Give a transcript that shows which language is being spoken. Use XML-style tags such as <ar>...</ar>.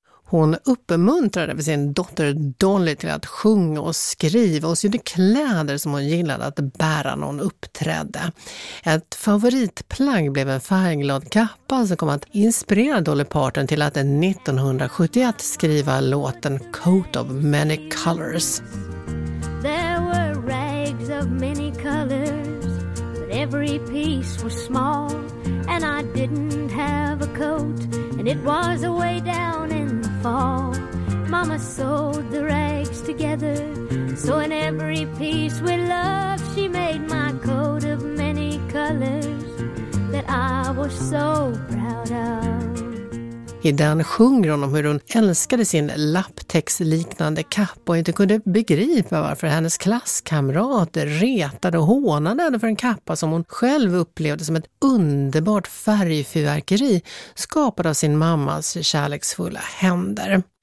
<sv>Hon uppmuntrade för sin dotter Dolly till att sjunga och skriva och sydde kläder som hon gillade att bära när hon uppträdde. Ett favoritplagg blev en färgglad kappa som kom att inspirera Dolly Parton till att 1971 skriva låten Coat of Many Colors.</sv> <en>There were rags of many colors, but every piece was small and I didn't have a coat and it was a way down in fall. Mama sewed the rags together, so in every piece with love she made my coat of many colors that I was so proud of.</en> <sv>I den sjunger hon om hur hon älskade sin lapptäcksliknande kapp och inte kunde begripa varför hennes klasskamrater retade och hånade henne för en kappa som hon själv upplevde som ett underbart färgfyrverkeri skapad av sin mammas kärleksfulla händer.</sv>